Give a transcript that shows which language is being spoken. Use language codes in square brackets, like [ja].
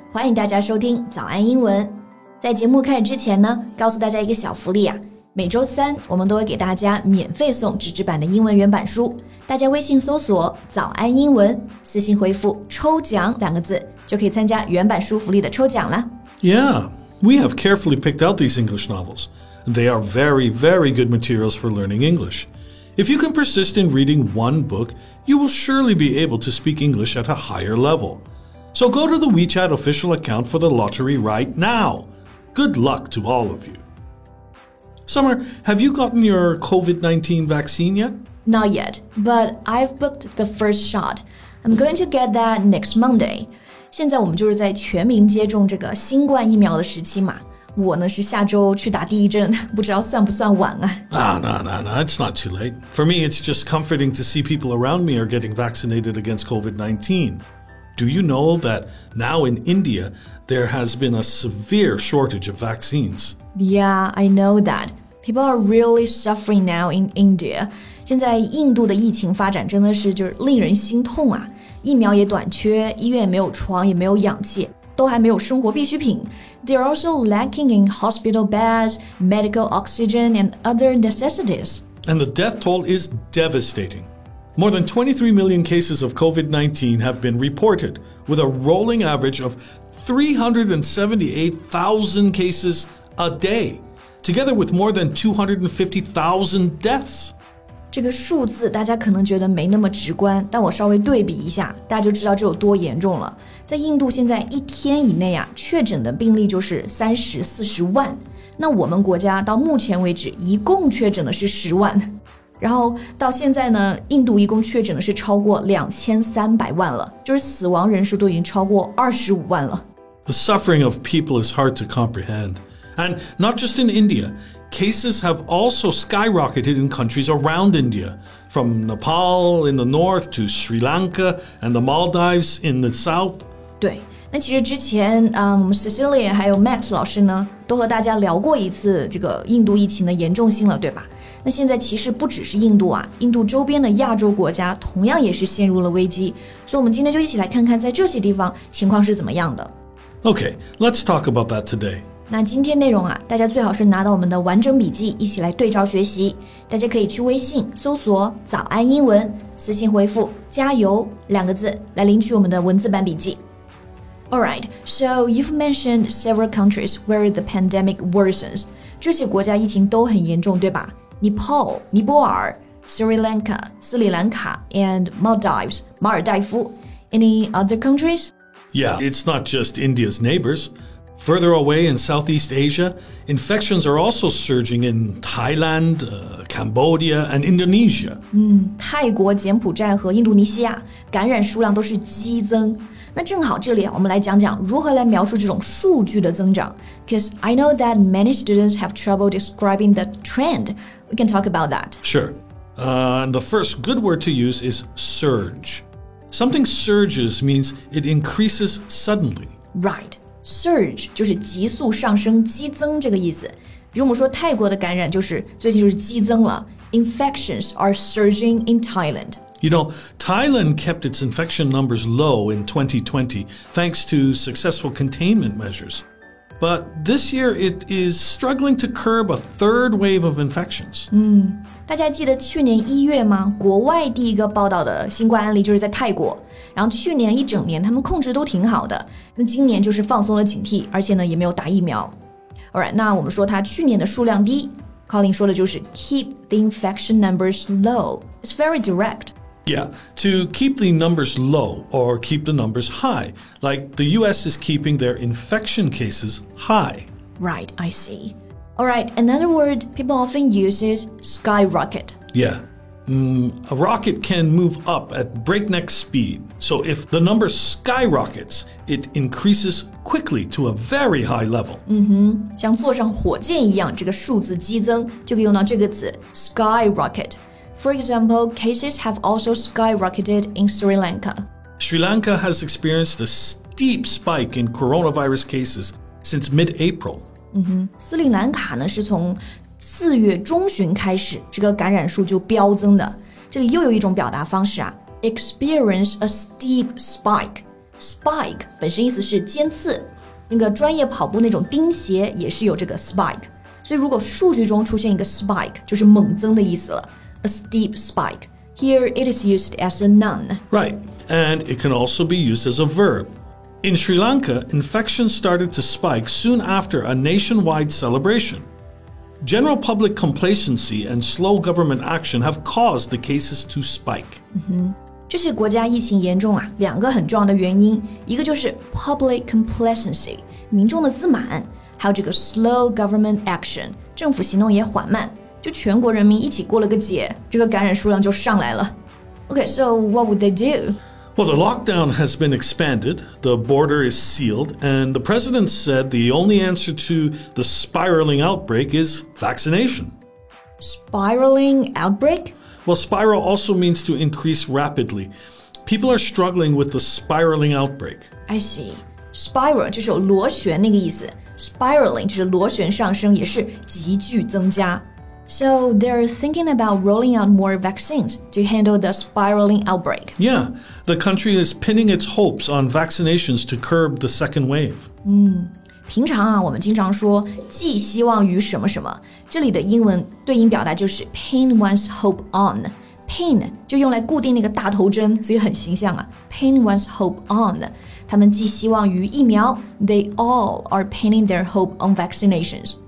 [zh] 欢迎大家收听早安英文。在节目开始之前呢，告诉大家一个小福利啊。每周三，我们都会给大家免费送纸质版的英文原版书。大家微信搜索“早安英文”，私信回复“抽奖”两个字，就可以参加原版书福利的抽奖了。 [en] Yeah, we have carefully picked out these English novels. They are very, very good materials for learning English. If you can persist in reading one book, you will surely be able to speak English at a higher level. So go to the WeChat official account for the lottery right now. Good luck to all of you. Summer, have you gotten your COVID-19 vaccine yet? Not yet, but I've booked the first shot. I'm going to get that next Monday. [zh] 现在我们就是在全民接种这个新冠疫苗的时期嘛。我呢是下周去打第一针，不知道算不算晚啊。 [en] No, it's not too late. For me, it's just comforting to see people around me are getting vaccinated against COVID-19. Do you know that now in India, there has been a severe shortage of vaccines? Yeah, I know that. People are really suffering now in India. [zh] 现在印度的疫情发展真的是就是令人心痛啊。疫苗也短缺，医院也没有床，也没有氧气。都还没有生活必需品。 [en] They're also lacking in hospital beds, medical oxygen, and other necessities. And the death toll is devastating. More than 23 million cases of COVID-19 have been reported, with a rolling average of 378,000 cases a day, together with more than 250,000 deaths. [zh] 这个数字大家可能觉得没那么直观，但我稍微对比一下，大家就知道这有多严重了。在印度现在一天以内啊，确诊的病例就是30-40万，那我们国家到目前为止一共确诊的是10万，然后到现在呢，印度一共确诊的是超过2300万了，就是死亡人数都已经超过25万了。 [en] The suffering of people is hard to comprehend, and not just in IndiaCases have also skyrocketed in countries around India, from Nepal in the north to Sri Lanka and the Maldives in the south. [zh] 对，那其实之前Cecilia 还有 Max 老师呢，都和大家聊过一次这个印度疫情的严重性了，对吧？那现在其实不只是印度啊，印度周边的亚洲国家同样也是陷入了危机。所以我们今天就一起来看看在这些地方情况是怎么样的。 [en] Okay, let's talk about that today. [zh] 那今天内容啊，大家最好是拿到我们的完整笔记，一起来对照学习。大家可以去微信搜索“早安英文”，私信回复“加油”两个字来领取我们的文字版笔记。 [en] All right, so you've mentioned several countries where the pandemic worsens. [zh] 这些国家疫情都很严重，对吧 ？Nepal, 尼泊尔 ，Sri Lanka, 斯里兰卡 ，and Maldives, 马尔代夫。 [en] Any other countries? Yeah, it's not just India's neighbors. Further away in Southeast Asia, infections are also surging in Thailand, Cambodia, and Indonesia. [zh] 泰国、柬埔寨和印度尼西亚感染数量都是激增。那正好这里我们来讲讲如何来描述这种数据的增长。 [en] Because I know that many students have trouble describing the trend. We can talk about that. Sure. And the first good word to use is surge. Something surges means it increases suddenly. Right. [zh] Surge 就是急速上升、激增这个意思。比如我们说泰国的感染就是最近就是激增了。 [en] Infections are surging in Thailand. You know, Thailand kept its infection numbers low in 2020 thanks to successful containment measures. But this year it is struggling to curb a third wave of infections. [zh] 大家记得去年一月吗？国外第一个报道的新冠案例就是在泰国。然后去年一整年他们控制都挺好的，那今年就是放松了警惕，而且呢也没有打疫苗。 Alright, 那我们说他去年的数量低， Colin 说的就是 [en] keep the infection numbers low. It's very direct. Yeah, to keep the numbers low or keep the numbers high, like the US is keeping their infection cases high. Right, I see. Alright, another word people often use is skyrocket. Yeah. A rocket can move up at breakneck speed. So if the number skyrockets, it increases quickly to a very high level. [zh] 像坐上火箭一样，这个数字激增就可以用到这个词 skyrocket. [en] For example, cases have also skyrocketed in Sri Lanka. Sri Lanka has experienced a steep spike in coronavirus cases since mid-April. [zh] 斯里兰卡呢是从四月中旬开始这个感染数就飙增的。这里又有一种表达方式啊 [en] experience a steep spike. [zh] Spike 本身意思是尖刺，那个专业跑步那种钉鞋也是有这个 spike。所以如果数据中出现一个 spike, 就是猛增的意思了。 [en] A steep spike. Here it is used as a noun. Right, and it can also be used as a verb. In Sri Lanka, infection started to spike soon after a nationwide celebration. General public complacency and slow government action have caused the cases to spike. [zh] 这些国家疫情严重啊，两个很重要的原因，一个就是 [en] public complacency, [zh] 民众的自满。还有这个 [en] slow government action, [zh] 政府行动也缓慢，就全国人民一起过了个节，这个感染数量就上来了。 [en] Okay, so what would they do? Well, the lockdown has been expanded, the border is sealed, and the president said the only answer to the spiraling outbreak is vaccination. Spiraling outbreak? Well, spiral also means to increase rapidly. People are struggling with the spiraling outbreak. I see. [zh] Spiral 就是有螺旋那个意思 Spiraling 就是螺旋上升也是急剧增加 [en] So they're thinking about rolling out more vaccines to handle the spiraling outbreak Yeah, the country is pinning its hopes on vaccinations to curb the second wave [zh] 平常啊我们经常说寄希望于什么什么这里的英文对应表达就是 [en] pin one's hope on [zh] Pin 就用来固定那个大头针所以很形象啊 Pin one's hope on他们寄希望于疫苗 [en] They all are pinning their hope on vaccinations.